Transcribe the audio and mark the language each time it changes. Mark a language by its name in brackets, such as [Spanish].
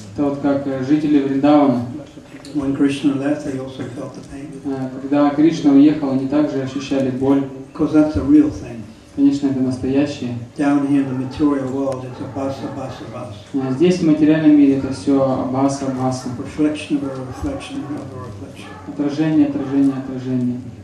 [Russian] Это вот как жители Вриндавана. [English] When Krishna left, they also felt the pain. [Russian] Когда Кришна уехал, они также ощущали боль. [English] Because that's a real thing. [Russian] Конечно, это настоящее. [English] Down here in the material world, it's a basa, basa, basa. [Russian] Здесь, в материальном мире, это все баса, баса. [English] Reflection of a reflection of a reflection. [Russian] Отражение, отражение, отражение.